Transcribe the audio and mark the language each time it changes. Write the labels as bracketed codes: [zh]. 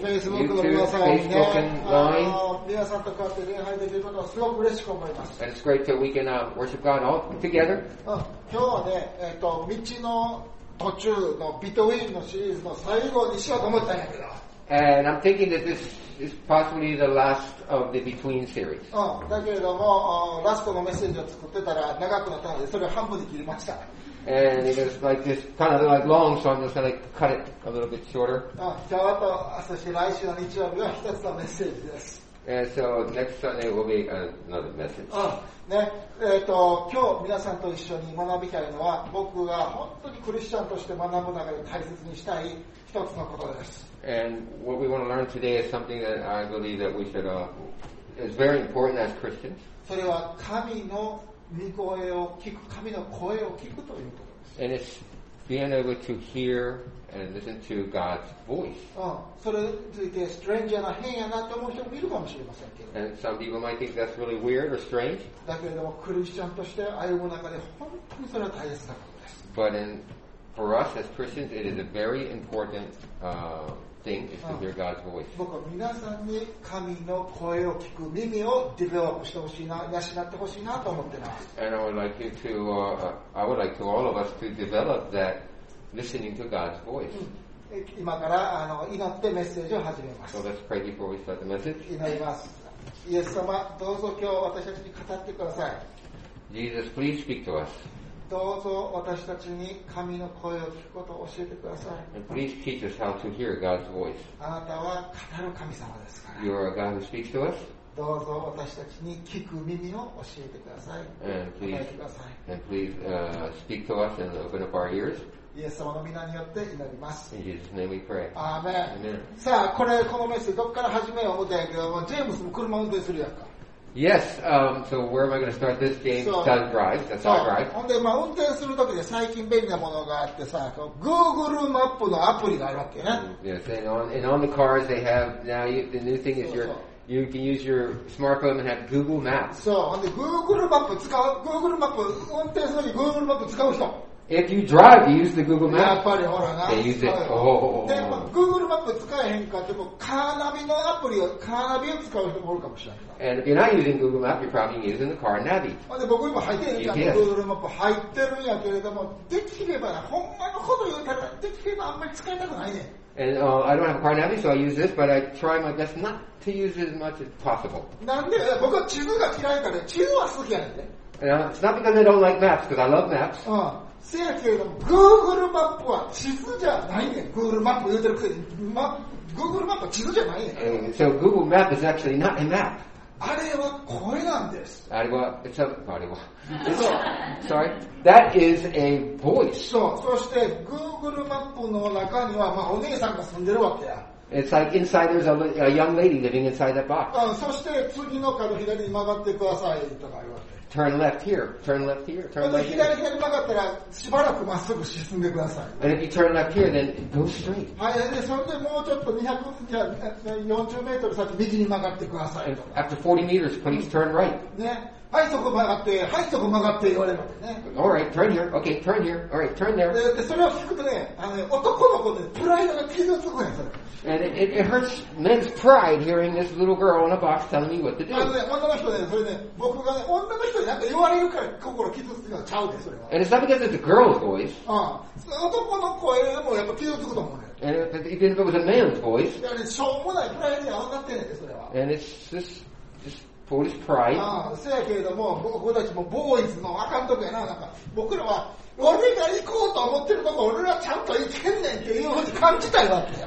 [ja] Facebook の皆さん、 [en] YouTube, Facebook and line. [ja] 皆さんとこうやって礼拝できることはすごく嬉しく思います。 [en] And it's great that we can worship God all together. [ja] 今日はね、道の途中のビトウィンのシリーズの最後にしようと思ったんやけど。 [en] And I'm thinking that this is possibly the last of the Between series. [ja] だけれども、ラストのメッセージを作ってたら長くなったので、それを半分に切りました。 [en] And it is like this, kind of like long, so I'm just going to cut it a little bit shorter. [ja] そして来週の日曜日は一つのメッセージです。 [en] And so next Sunday will be another message. [ja] ね、今日皆さんと一緒に学びたいのは、僕が本当にクリスチャンとして学ぶ中で大切にしたい一つのことです。 [en] And what we want to learn today is something that I believe that we should is very important as Christians. [ja] それは神の御声を聞く、神の声を聞くということです。 [en] And it's being able to hear and listen to God's voice. [ja] それについて strange やな変やなと思う人もいるかもしれませんけど。 [en] And some people might think that's really weird or strange. [ja] だけれどもクリスチャンとして歩む中で本当にそれは大切なことです。 [en] But in For us as Christians, it is a very important thing is to hear God's voice. [ja] 僕は皆さんに神の声を聞く耳をディベロップしてほしいな、養ってほしいなと思ってます。 [en] And I would like you to, I would like to all of us to develop that listening to God's voice. [ja] 今から祈ってメッセージを始めます。 [en] So let's pray before we start the message. [ja] 祈ります。イエス様、どうぞ今日私たちに語ってください。 [en] Jesus, please speak to us. [ja] どうぞ私たちに神の声を聞くことを教えてください。 [en] And please teach us how to hear God's voice. [ja] あなたは語る神様ですから。 [en] You are a God who speaks to us. [ja] どうぞ私たちに聞く耳を教えてください。 [en] And please speak to us and open up our ears. [ja] イエス様の皆によって祈ります。 [en] In Jesus' name we pray. Amen. Amen. [ja] さあ、このメッセージどこから始めよう思ったんやけども、ジェームスも車運転するやんか。 [en] Yes, so where am I going to start this game? That's all right. [ja] ほんで、まあ、運転するときで最近便利なものがあってさ、Google マップのアプリがあるわけね。 [en] Yes, and on the cars they have, now the new thing is you can use your smartphone and have Google Maps. [ja] そう、ほんで、Google マップ使う、Google マップ、運転するとき Google マップ使う人。 [en] If you drive, you use the Google Maps. [ja] やっぱりほらな。 [en] They use it. Oh. [ja] で、まあ、Google マップ使えへんかっても、カーナビのアプリを、カーナビを使う人もおるかもしれない。 [en] And if you're not using Google Map, you're probably using the car Navi. [ja] で、僕今入ってるんじゃん。Google Map 入ってるんやけれども、できればな、ほんまのこと言うたら、できればあんまり使いたくないね。 [en] And I don't have a car Navi, so I use this, but I try my best not to use it as much as possible. [ja] なんで？僕は地図が嫌いから、地図は好きやねんね。 [en] And, it's not because I don't like maps, because I love maps. [ja] せやけれども、Google Map は地図じゃないねん。 Google Map 言うてるくせに、Google Map は地図じゃないねん。 [en] So Google Map is actually not a map. [ja] あれは声なんです。あれは、 [en] it's a, [ja] あれは。 [en] Sorry. That is a voice. [ja] そう。そして、Google マップの中には、まあ、お姉さんが住んでるわけや。 [en] It's like inside there's a young lady living inside that box. [ja] そして、次の角左に曲がってくださいとか言われて。 [en] Turn left here, turn left here, turn left here. [ja] 左に曲がったら、しばらくまっすぐ進んでください。 [en] And if you turn left here, then go straight. [ja] はい、で、それでもうちょっと240メートル先、右に曲がってください。 [en] And after 40 meters, please turn right. [ja] ね。はい、そこ曲がって、はい、そこ曲がって言われるわけね。 [en] Alright, turn here. Okay, turn here. Alright, turn there. [ja] で、それを聞くとね、男の子でプライドが傷つくやん、それ。 [en] And it hurts men's pride hearing this little girl in a box telling me what to do. [ja] あのね、女の人ね、それね、僕がね、女の人になんか言われるから心傷つくのちゃうで、それは。 [en] And it's not because it's a girl's voice. [ja] 男の声でもやっぱ傷つくと思うね。 [en] And if it was a man's voice. [ja] いやね、しょうもないプライドに上がってないで、それは。 [en] And it's just foolish pride. [ja] せやけれども、僕たちもボーイズのあかんとこやな、なんか、僕らは、俺が行こうと思ってるとこ俺らちゃんと行けんねんっていうふうに感じたいわけよ。